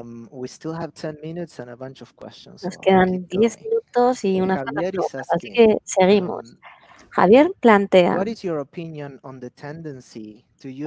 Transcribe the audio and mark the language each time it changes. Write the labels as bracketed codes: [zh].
[en] We still have 10 minutes and a bunch of questions. [es] Nos quedan 10 minutos y unas cuantas preguntas, así que seguimos. Javier plantea, [en] what is your opinion on the tendency to use